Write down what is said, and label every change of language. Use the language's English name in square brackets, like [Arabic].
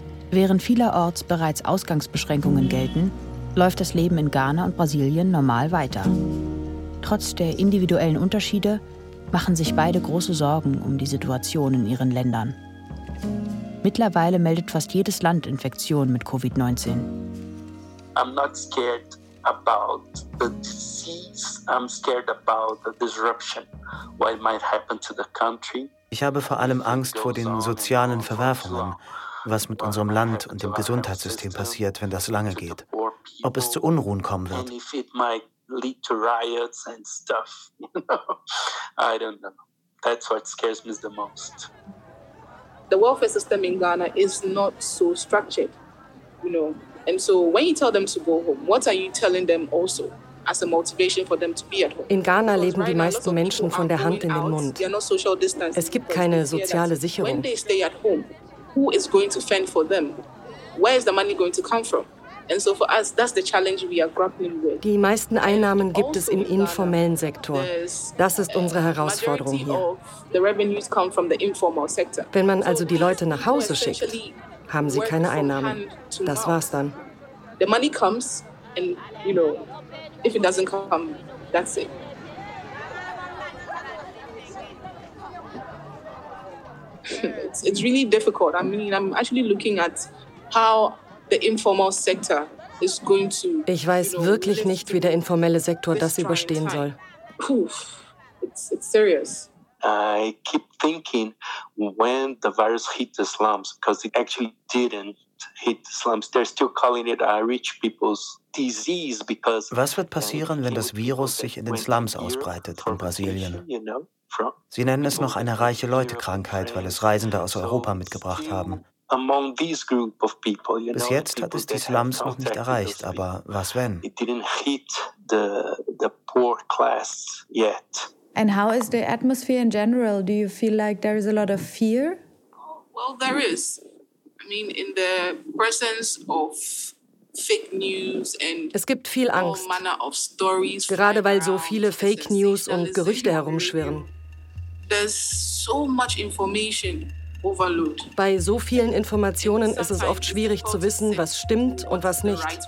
[German] Während vielerorts bereits Ausgangsbeschränkungen gelten, läuft das Leben in Ghana und Brasilien normal weiter. Trotz der individuellen Unterschiede machen sich beide große Sorgen um die Situation in ihren Ländern. Mittlerweile meldet fast jedes Land Infektionen mit Covid-19. [English] I'm not scared about the disease. I'm scared about the disruption, what might happen to the country. [German] Ich habe vor allem Angst vor den sozialen Verwerfungen, was mit unserem Land und dem Gesundheitssystem passiert, wenn das lange geht. Ob es zu Unruhen kommen wird. [English] Lead to riots and stuff, you know. I don't know. That's what scares me the most. The welfare system in Ghana is not so structured, you know. And so when you tell them to go home, what are you telling them also as a motivation for them to be at home? [German] In Ghana leben die meisten Menschen von der Hand in den Mund. Es gibt keine soziale Sicherung. [English] When they stay at home, who is going to fend for them? Where is the money going to come from? And so for us, that's the challenge we are grappling with. [German] Die meisten Einnahmen gibt es im informellen Sektor. Das ist unsere Herausforderung hier. [English] The revenues come from the informal sector. [German] Wenn man also die Leute nach Hause schickt, haben sie keine Einnahmen. Das war's dann. [English] The money comes and, you know, if it doesn't come, that's it. It's really difficult. I mean, I'm actually looking at how the informal sector is going to, [German] ich weiß, [English] you know, [German] wirklich nicht, wie der informelle Sektor das überstehen soll. [English] Oof, it's serious. I keep thinking when the virus hit the slums, because it actually didn't hit the slums. They're still calling it a rich people's disease because. [German] Was wird passieren, wenn das Virus sich in den Slums ausbreitet in Brasilien? Sie nennen es noch eine reiche Leute-Krankheit, weil es Reisende aus Europa mitgebracht haben. [English] Among this group of people, you know, [German] bis jetzt hat es die Slums noch nicht erreicht, aber was wenn? [English] It didn't hit the poor class yet. And how is the atmosphere in general? Do you feel like there is a lot of fear? Well, there is. I mean, in the presence of fake news and [German] es gibt viel Angst, gerade weil so viele Fake News und Gerüchte herumschwirren. [English] There's so much information. [German] Bei so vielen Informationen ist es oft schwierig zu wissen, was stimmt und was nicht.